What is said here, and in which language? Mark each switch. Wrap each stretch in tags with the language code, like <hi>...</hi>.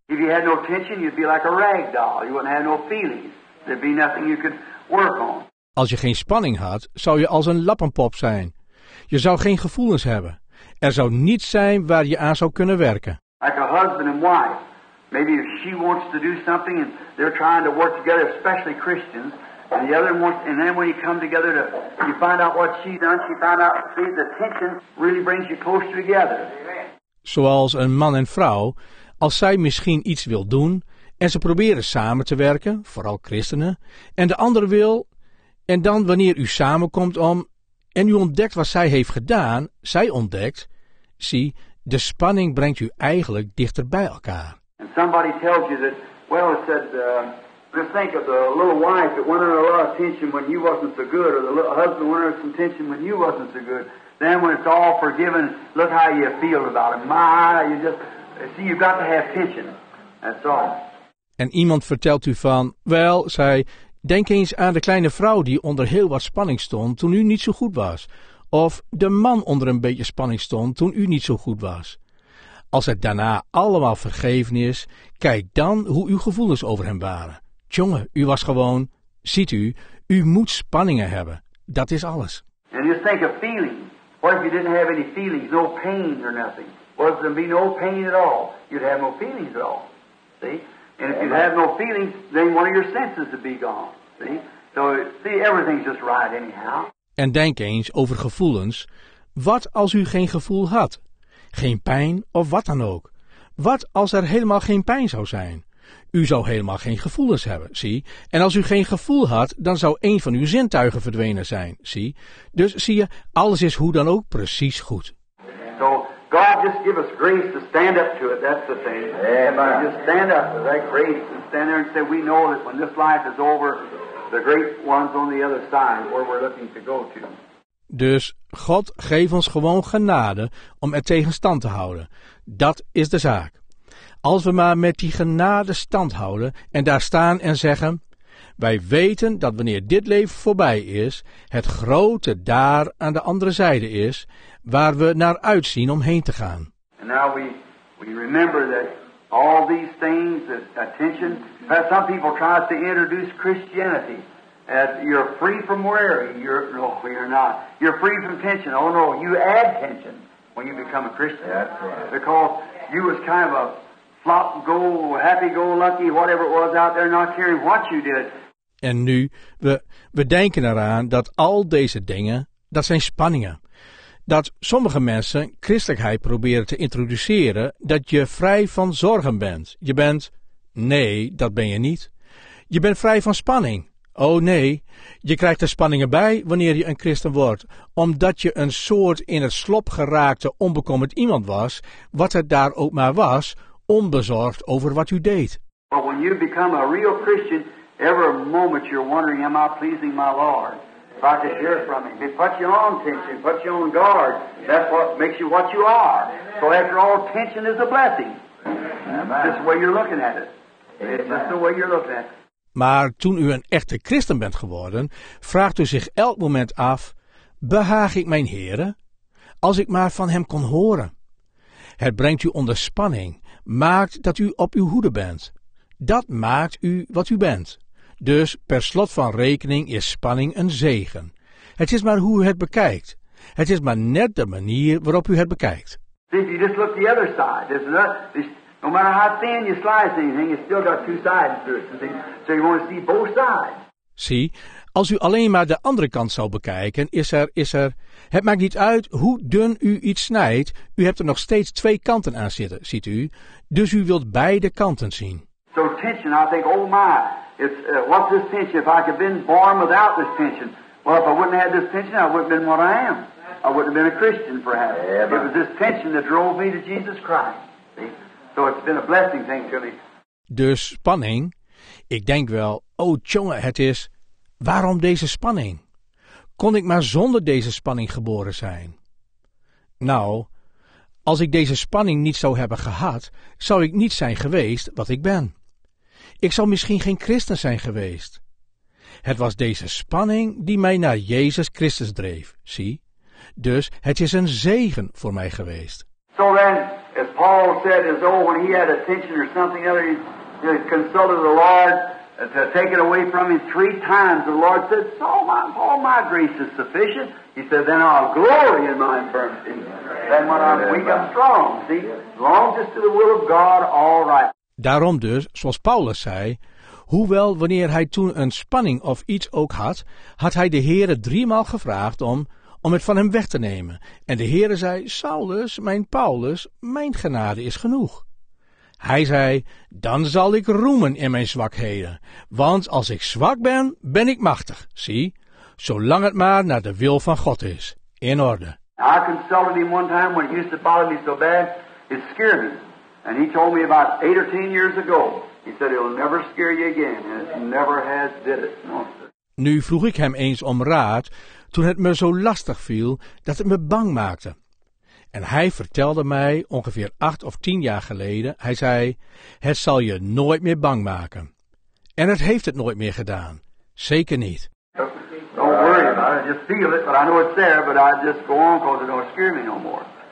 <en>If you had no tension, you'd be like a rag doll. You wouldn't have no feelings. There'd be nothing you could work on.</en> <nl>Als je geen spanning had, zou je als een lappenpop zijn. Je zou geen gevoelens hebben. Er zou niets zijn waar je aan zou kunnen werken.</nl> <en>Like a husband and wife. Maybe if she wants to do something and they're trying to work together, especially Christians, and the other wants, and then when you come together to you find out what she's done, she found out, see, the tension really brings you closer together.</en> <nl>Zoals een man en vrouw, als zij misschien iets wil doen en ze proberen samen te werken, vooral christenen, en de ander wil, en dan wanneer u samenkomt om en u ontdekt wat zij heeft gedaan, zij ontdekt, zie, de spanning brengt u eigenlijk dichter bij elkaar.</nl> <en>And somebody tells you that, well, it said, just think of the little wife that went under a lot of tension when you wasn't so good, or the little husband went under some tension when you wasn't so good. Then when it's all forgiven, look how you feel about it. My, you just, see, you've got to have tension. That's all.</en> <nl>En iemand vertelt u van, wel, zij, denk eens aan de kleine vrouw die onder heel wat spanning stond toen u niet zo goed was. Of de man onder een beetje spanning stond toen u niet zo goed was. Als het daarna allemaal vergeven is, kijk dan hoe uw gevoelens over hem waren. Tjonge, u was gewoon, ziet u, u moet spanningen hebben. Dat is alles.</nl> <en>And just think of feeling. What if you didn't have any feelings, no pain or nothing? Was there be no pain at all? You'd have no feelings at all. See? And if you have no feelings, then one of your senses would be gone. See? So, see, everything's just right anyhow.</en> <nl>En denk eens over gevoelens. Wat als u geen gevoel had? Geen pijn of wat dan ook. Wat als er helemaal geen pijn zou zijn? U zou helemaal geen gevoelens hebben, zie. En als u geen gevoel had, dan zou één van uw zintuigen verdwenen zijn, zie. Dus zie je, alles is hoe dan ook precies goed.</nl> <en>So, God, just give us grace to stand up to it, that's the thing. Amen. Just stand up to that grace and stand there and say, we know that when this life is over, the great one's on the other side, where we're looking to go to.</en> <nl>Dus God geef ons gewoon genade om er tegen stand te houden. Dat is de zaak. Als we maar met die genade stand houden en daar staan en zeggen, wij weten dat wanneer dit leven voorbij is, het grote daar aan de andere zijde is, waar we naar uitzien om heen te gaan.</nl> <en>And now we remember that all these things, attention, that some people try to introduce Christianity. As you're free from worry, you're not. You're free from tension. Oh no, you add tension when you become a Christian. That's right. Because you was kind of a flop, go, happy, go, lucky, whatever it was out there, not caring what you did.</en> <nl>En nu, we denken eraan dat al deze dingen, dat zijn spanningen. Dat sommige mensen christelijkheid proberen te introduceren, dat je vrij van zorgen bent. Je bent, nee, dat ben je niet. Je bent vrij van spanning. Oh nee, je krijgt er spanningen bij wanneer je een christen wordt, omdat je een soort in het slop geraakte onbekommerd iemand was, wat het daar ook maar was, onbezorgd over wat u deed.</nl> <en>But when you become a real Christian, every moment you're wondering, am I pleasing my Lord? If I could hear from him, it puts you on tension, puts you on guard. That's what makes you what you are. So after all, tension is a blessing. That's the way you're looking at it. That's the way you're looking at it.</en> <nl>Maar toen u een echte christen bent geworden, vraagt u zich elk moment af, behaag ik mijn Here? Als ik maar van hem kon horen. Het brengt u onder spanning, maakt dat u op uw hoede bent. Dat maakt u wat u bent. Dus per slot van rekening is spanning een zegen. Het is maar hoe u het bekijkt. Het is maar net de manier waarop u het bekijkt.</nl> <en>See, you just look the other side, isn't it? No matter how thin you slice anything, it's still got two sides to it. So you want to see both sides.</en> <nl>Zie, als u alleen maar de andere kant zou bekijken, is er... Het maakt niet uit hoe dun u iets snijdt. U hebt er nog steeds twee kanten aan zitten, ziet u. Dus u wilt beide kanten zien.</nl> <en>So tension, I think, oh my, what's this tension? If I could have been born without this tension. Well, if I wouldn't have this tension, I wouldn't have been what I am. I wouldn't have been a Christian, perhaps. Yeah, it was this tension that drove me to Jesus Christ. See? So it's been a blessing thing to me.</en> <nl>Dus spanning. Ik denk wel, oh tjonge, het is, waarom deze spanning? Kon ik maar zonder deze spanning geboren zijn? Nou, als ik deze spanning niet zou hebben gehad, zou ik niet zijn geweest wat ik ben. Ik zou misschien geen christen zijn geweest. Het was deze spanning die mij naar Jezus Christus dreef, zie. Dus het is een zegen voor mij geweest.</nl> <en>So then, as Paul Paul said as though when he had a tension or something other, he consulted the Lord to take it away from him three times. The Lord said, all my grace is sufficient. He said, then I'll glory in my infirmity. Then when I'm weak, I'm strong. See, as long as it's to the will of God, all right.</en> <nl>Daarom dus, zoals Paulus zei, hoewel wanneer hij toen een spanning of iets ook had, had hij de Heere driemaal gevraagd om het van hem weg te nemen. En de Heere zei, Saulus, mijn Paulus, mijn genade is genoeg. Hij zei, dan zal ik roemen in mijn zwakheden, want als ik zwak ben, ben ik machtig, zie, zolang het maar naar de wil van God is. In orde.</nl> <en>I consulted him one time when he used to bother me so bad, it scared me. And he told me about 8 or 10 years ago. He said, it'll never scare you again. And it never has did it. No.</en> <nl>Nu vroeg ik hem eens om raad, toen het me zo lastig viel, dat het me bang maakte. En hij vertelde mij, ongeveer 8 of 10 jaar geleden, hij zei, het zal je nooit meer bang maken. En het heeft het nooit meer gedaan. Zeker niet.</nl> <en>Don't worry about it. I just feel it, but I know it's there, but I just go on because it don't scare me no more.</en>